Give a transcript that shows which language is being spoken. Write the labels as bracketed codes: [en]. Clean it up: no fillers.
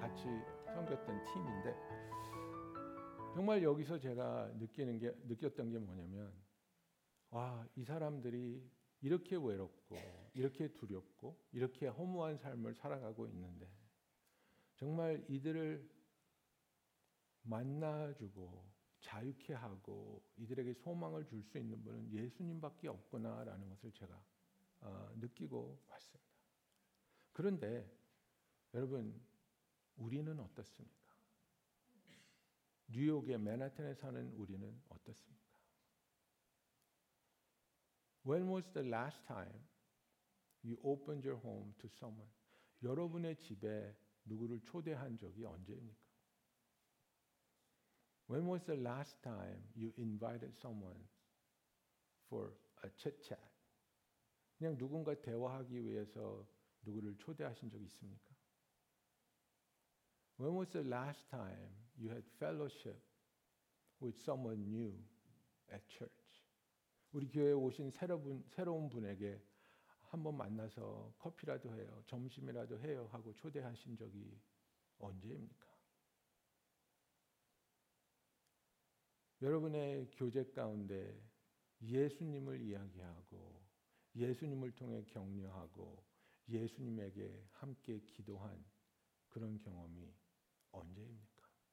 [ko] 같이 섬겼던 팀인데 정말 여기서 제가 느꼈던 게 뭐냐면, 와, 이 사람들이 이렇게 외롭고 이렇게 두렵고 이렇게 허무한 삶을 살아가고 있는데 정말 이들을 만나주고 자유케 하고 이들에게 소망을 줄 수 있는 분은 예수님밖에 없구나라는 것을 제가 느끼고 왔습니다. 그런데 여러분, 우리는 어떻습니까? 뉴욕의 맨하튼에 사는 우리는 어떻습니까? [en] When was the last time you opened your home to someone? [ko] 여러분의 집에 누구를 초대한 적이 언제입니까? [en] When was the last time you invited someone for a chit-chat? [ko] 그냥 누군가 대화하기 위해서 누구를 초대하신 적 있습니까? [en] When was the last time you had fellowship with someone new at church? [ko] 우리 교회에 오신 새로운 분에게 한번 만나서 커피라도 해요, 점심이라도 해요 하고 초대하신 적이 언제입니까? 여러분의 교제 가운데 예수님을 이야기하고 예수님을 통해 격려하고 예수님에게 함께 기도한 그런 경험이 언제입니까?